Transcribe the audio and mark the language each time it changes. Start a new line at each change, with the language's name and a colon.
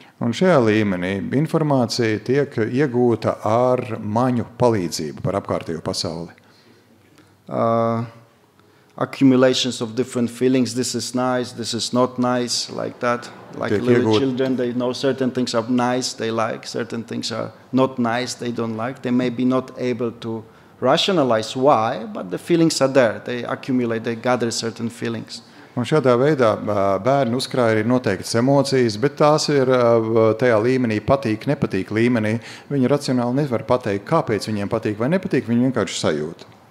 Latvian: Un šajā līmenī informācija tiek iegūta ar maņu palīdzību par apkārtējo pasauli.
English: Accumulations of different feelings, this is nice, this is not nice, like that. Like little children, they know certain things are nice, they like, certain things are not nice, they don't like. They may be not able to rationalize why, but the feelings are there. They accumulate, they gather certain feelings.
Latvian: Un šādā veidā bērni uzkrāja arī noteiktas emocijas, bet tās ir tajā līmenī patīk, nepatīk līmenī. Viņi racionāli nevar pateikt, kāpēc viņiem patīk vai nepatīk, viņi vienkārši sajūta.